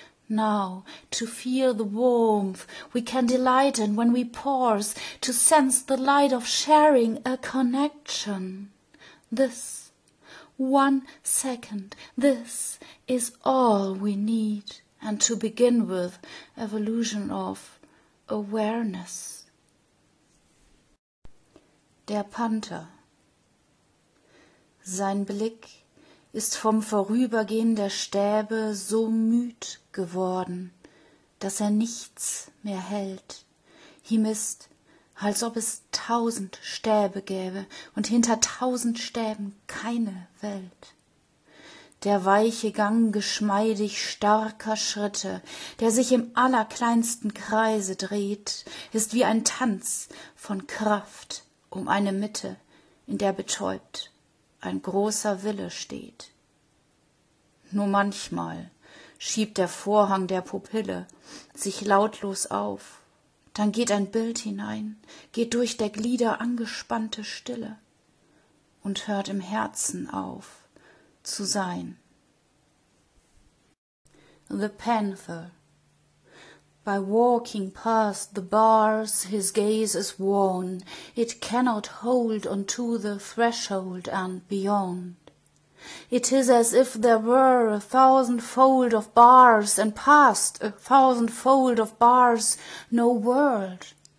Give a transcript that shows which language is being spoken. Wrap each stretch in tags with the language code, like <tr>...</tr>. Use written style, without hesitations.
<en>Now, to feel the warmth we can delight in when we pause, to sense the light of sharing a connection. This 1 second, this is all we need, and to begin with, evolution of awareness.</en> <de>Der Panther. Sein Blick ist vom Vorübergehen der Stäbe so müd geworden, dass er nichts mehr hält. Ihm ist, als ob es 1000 Stäbe gäbe und hinter 1000 Stäben keine Welt. Der weiche Gang geschmeidig starker Schritte, der sich im allerkleinsten Kreise dreht, ist wie ein Tanz von Kraft um eine Mitte, in der betäubt ein großer Wille steht. Nur manchmal schiebt der Vorhang der Pupille sich lautlos auf, dann geht ein Bild hinein, geht durch der Glieder angespannte Stille und hört im Herzen auf zu sein.</de> <en>The Panther. By walking past the bars, his gaze is worn. It cannot hold onto the threshold and beyond. It is as if there were 1000-fold of bars, and past 1000-fold of bars, no world.</en>